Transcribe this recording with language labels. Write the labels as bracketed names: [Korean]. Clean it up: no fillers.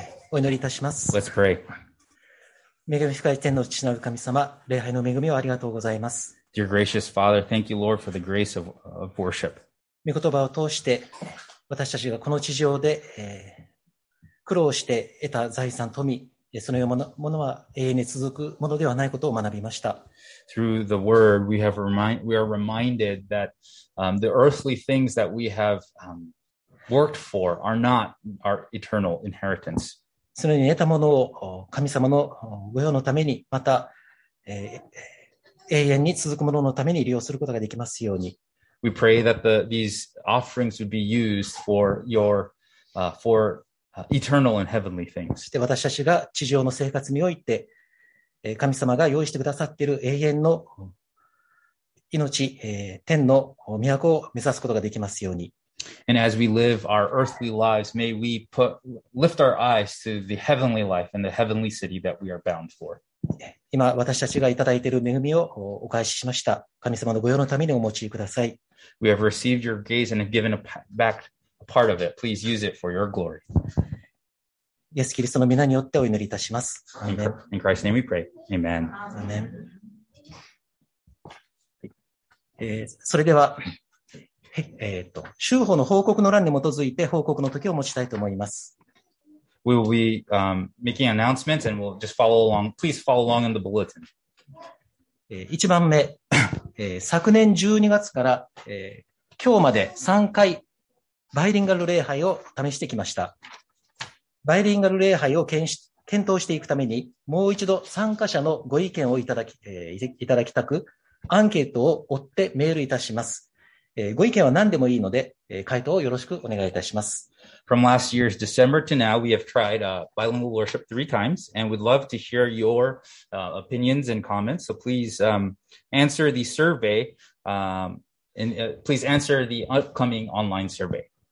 [Japanese] お祈りいたします。 [English] Let's pray. [Japanese] 恵み深い天の父なる神様、礼拝の恵みをありがとうございます。 [English] Dear gracious Father, thank you, Lord, for the grace of worship. [Japanese] 御言葉を通して、私たちがこの地上で、苦労して得た財産、富、そのようなものは永遠に続くものではないことを学びました。 [English] Through the word, we are reminded that, the earthly things that we have, worked for are not our eternal inheritance. [Japanese] そのように得たものを神様の御用のためにまた、永遠に続くもののために利用することができますように。 [English] We pray that these offerings would be used for your, for eternal and heavenly things. [Japanese] そして私たちが地上の生活において、神様が用意してくださっている永遠の命、天の都を目指すことができますように。 [English] And as we live our earthly lives, may we put, lift our eyes to the heavenly life and the heavenly city that we are bound for. [Japanese] 今私たちがいただいている恵みをお返ししました。神様の御用のためにお持ちください。 [English] We have received your grace and have given back a part of it. Please use it for your glory. [Japanese] イエス・キリストの御名によってお祈りいたします。 [English] In Christ's name we pray. Amen. Amen. [Japanese] それでは、修法の報告の欄に基づいて報告の時を持ちたいと思います。 [English] We will be, making announcements and we'll just follow along. Please follow along in the bulletin. [Japanese] 一番目、昨年12月から、今日まで3回バイリンガル礼拝を試してきました。バイリンガル礼拝を検討していくためにもう一度参加者のご意見をいただきたくアンケートを追ってメールいたします。ご意見は何でもいいので、回答をよろしくお願いいたします。 [English] From last year's December to now, we have tried, bilingual worship three times, and we'd love to hear your, opinions and comments. So please, answer the survey, and, please answer the upcoming online survey.